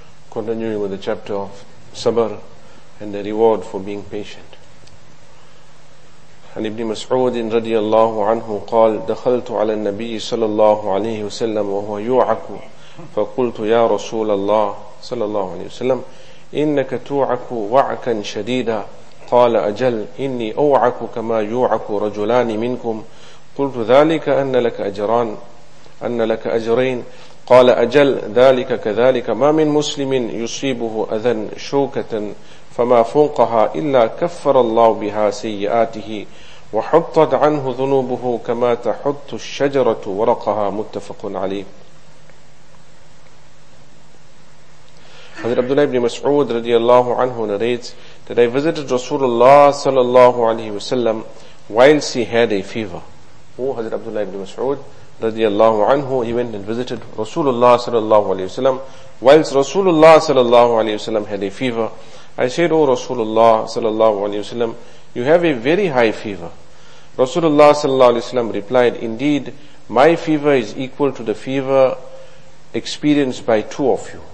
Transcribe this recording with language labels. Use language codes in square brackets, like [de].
[en] Continuing with the chapter of sabr and the reward for being patient. [ar] عن ابن مسعود رضي الله عنه قال دخلت على النبي صلى الله عليه وسلم وهو يوعك فقلت يا رسول الله صلى الله عليه وسلم إنك توعك وعكا شديدا قال أجل إني أوعك كما يوعك رجلان منكم قلت ذلك أن لك أجران أن لك أجرين قال أجل ذلك كذلك ما من مسلم يصيبه أذى شوكة فما فوقها إلا كفر الله بها سيئاته وحطت عنه ذنوبه كما تحط الشجرة ورقها متفق عليه. [en] حضرت عبد الله بن مسعود [ar] رضي الله عنه [en] narrates that I visited Rasulullah [ar] صلى الله عليه وسلم [en] whilst he had a fever. Who حضرت عبد الله بن مسعود radiallahu anhu, he went and visited Rasulullah sallallahu alayhi wasallam whilst Rasulullah sallallahu alayhi wasallam had a fever. I said, O Rasulullah sallallahu alayhi wasallam, you have a very high fever. Rasulullah sallallahu alayhi wasallam replied, indeed, my fever is equal to the fever experienced by two of you.